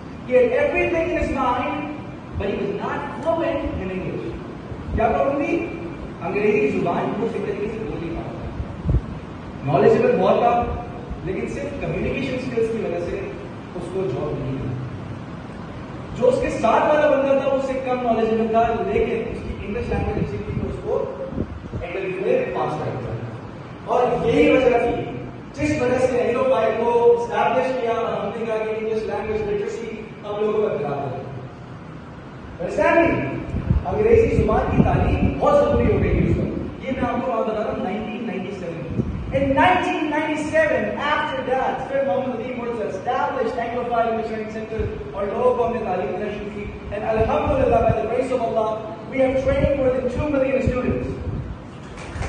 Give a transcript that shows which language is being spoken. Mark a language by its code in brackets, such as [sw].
[en] He had everything in his mind but he was not fluent in English. [ur] Kya problem thi, angrezi zuban ko sahi tarike se bol nahi paata. Knowledgeable bahut tha لیکن صرف communication skills کی وجہ سے اس کو job نہیں ملا. جو اس کے ساتھ والا بندہ تھا اس سے کم نالج ملتا, لیکن اس کی انگلش لینگویج اچھی تھی تو اس کو انٹرویو میں پاس کر دیا. اور یہی وجہ تھی جس وجہ سے اینرول فائل کو اسٹیبلش کیا اور ہم نے کہا کہ انگلش لینگویج لٹریسی ہم لوگوں کا خراب ہے. انگریزی زبان کی تعلیم بہت ضروری ہو گئی اس وقت. یہ میں آپ کو بات بتا رہا ہوں 1997. [en] In 1997, after that, Sir Muhammad Nadeem Murtaza established Anglophile English Learning Centre, [ur] aur log humne taleem dena shuru ki, [en] and alhamdulillah, by the grace of Allah, we have trained more than 2 million students.